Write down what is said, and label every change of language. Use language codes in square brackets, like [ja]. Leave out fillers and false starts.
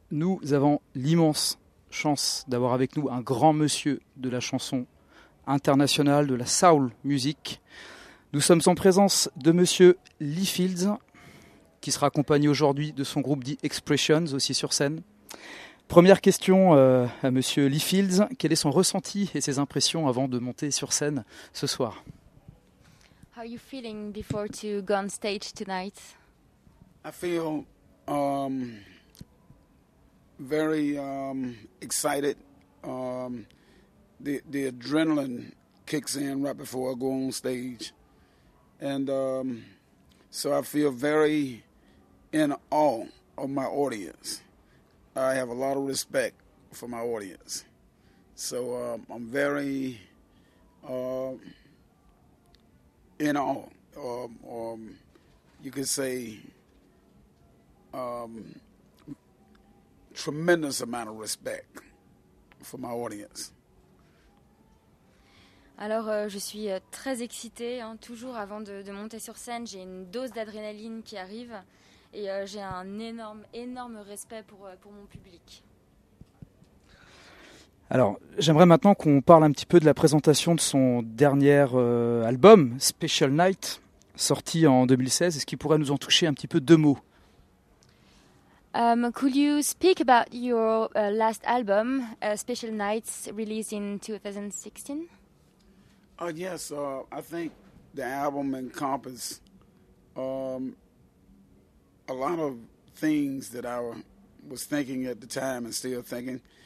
[fr] Nous avons l'immense chance d'avoir avec nous un grand monsieur de la chanson internationale, de la soul music. Nous sommes en présence de monsieur Lee Fields, qui sera accompagné aujourd'hui de son groupe The Expressions, aussi sur scène. Première question à monsieur Lee Fields, quel est son ressenti et ses impressions avant de monter sur scène ce soir? [en] How are you feeling before to go on stage tonight? I feel very excited. The adrenaline kicks in right before I go on stage. And so I feel very in awe of my audience. I have a lot of respect for my audience. So I'm very in awe, you could say tremendous amount of respect for my audience. [fr] Alors, je suis très excitée. Hein. Toujours avant de monter sur scène, j'ai une dose d'adrénaline qui arrive et j'ai un énorme, énorme respect pour mon public. Alors, j'aimerais maintenant qu'on parle un petit peu de la présentation de son dernier album, Special Night, sorti en 2016. Est-ce qu'il pourrait nous en toucher un petit peu 2 mots? [en] Could you speak about your last album, Special Nights, released in 2016? Yes, I think the album encompasses a lot of things that I was thinking at the time and still thinking.